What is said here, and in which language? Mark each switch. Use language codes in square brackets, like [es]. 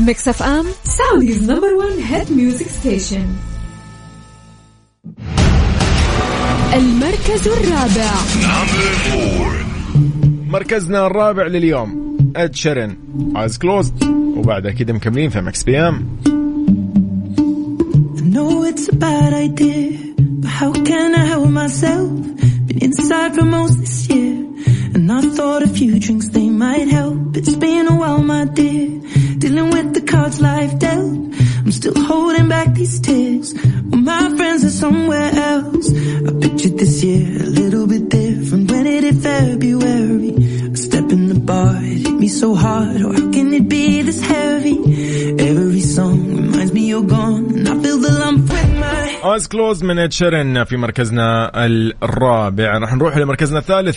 [en] Mix F M Saudi's number one hit music station. [ar] المركز الرابع. مركزنا الرابع لليوم اد شيرين، [en] is closed, [ar] وبعدها كده مكملين في مكس بي ام. [en] I know it's a bad idea, but how can I help myself? Been inside for most this year, and I thought a few drinks they might help. It's been a while, my dear, dealing with the cards life dealt. I'm still holding back these tears, but my friends are somewhere else. I pictured this year a little bit different when it hit February. In the bar, it hit me so hard. Or how can it be this heavy? Every song reminds me you're gone, and I feel the lump with my. Eyes closed, [ar] من اتشرن في مركزنا الرابع. راح نروح لمركزنا الثالث.